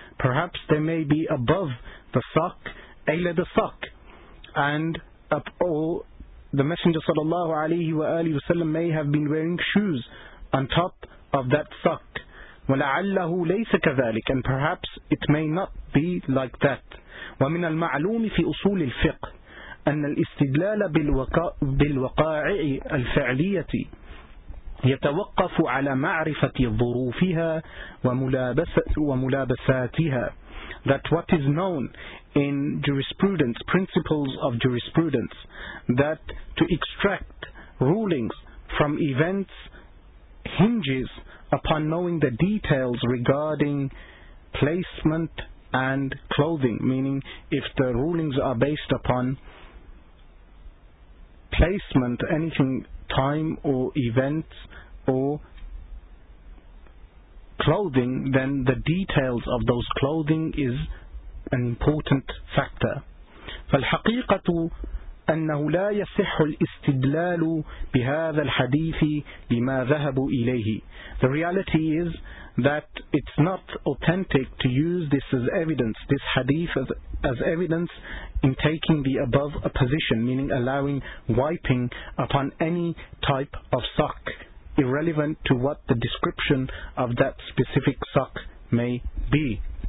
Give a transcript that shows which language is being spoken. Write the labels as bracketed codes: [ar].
[en] Perhaps they may be above the sock, a leather sock. And the Messenger sallallahu alayhi wa alihi wasallam may have been wearing shoes on top of that sock. [ar] وَلَعَلَّهُ لَيْسَ كَذَلِكَ. [en] And perhaps it may not be like that. [ar] وَمِنَ الْمَعْلُومِ فِي أُصُولِ الْفِقْهِ أن الاستدلال بالوقائع الفعلية يتوقف على معرفة ظروفها وملابساتها. [en] That what is known in jurisprudence, principles of jurisprudence, that to extract rulings from events hinges upon knowing the details regarding placement and clothing. Meaning if the rulings are based upon placement, anything, time or events or clothing, then the details of those clothing is an important factor. [ar] فالحقيقة أنه لا يصح الاستدلال بهذا الحديث لما ذهبوا إليه. [en] The reality is that it's not authentic to use this as evidence, this hadith as evidence in taking the above a position, meaning allowing wiping upon any type of sock, irrelevant to what the description of that specific sock may be.